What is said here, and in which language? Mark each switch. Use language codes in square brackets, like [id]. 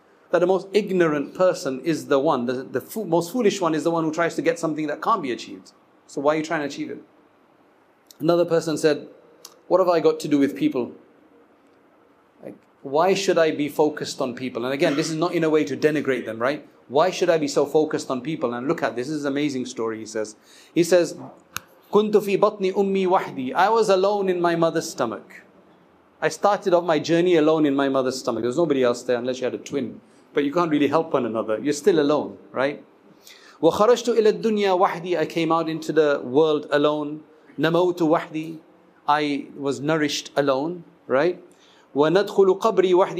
[en] That the most ignorant person is the one, the most foolish one is the one who tries to get something that can't be achieved. So why are you trying to achieve it? Another person said, what have I got to do with people? Like, why should I be focused on people? And again, this is not in a way to denigrate them, right? Why should I be so focused on people? And look at this, this is an amazing story, he says. He says, [ar] كنت في بطن أمي وحدي. [en] I was alone in my mother's stomach. I started off my journey alone in my mother's stomach. There was nobody else there unless you had a twin. But you can't really help one another. You're still alone, right? [ar] وَخَرَجْتُ إِلَى الدُّنْيَا وَحْدِي. [en] I came out into the world alone. [ar] نَمَوْتُ وَحْدِي. [en] I was nourished alone, right? [ar] وَنَدْخُلُ قَبْرِي وَحْدِي.